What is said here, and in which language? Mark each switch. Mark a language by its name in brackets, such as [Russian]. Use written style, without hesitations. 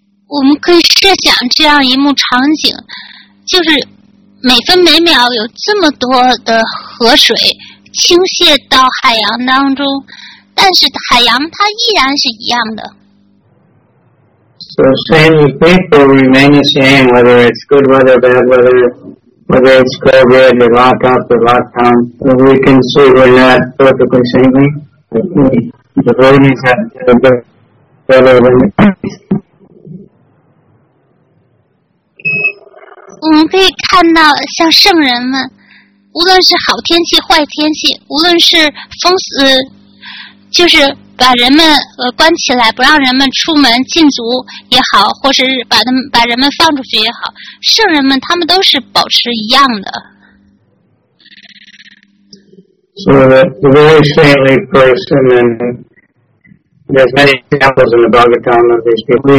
[Chinese] 我们可以设想这样一幕场景，就是每分每秒有这么多的河水倾泻到海洋当中，但是海洋它依然是一样的。 [English] So same people remain the same, whether it's good weather, bad weather, whether it's COVID, they lock up, they lock down. So we can see we're not perfectly saintly. The devotees have a better limit. [Chinese] 我们可以看到，像圣人们，无论是好天气、坏天气，无论是封死，就是把人们关起来，不让人们出门禁足也好，或是把人们放出去也好，圣人们他们都是保持一样的。 [English] So the very saintly person, and there's many examples in the Bhagavatam of these people.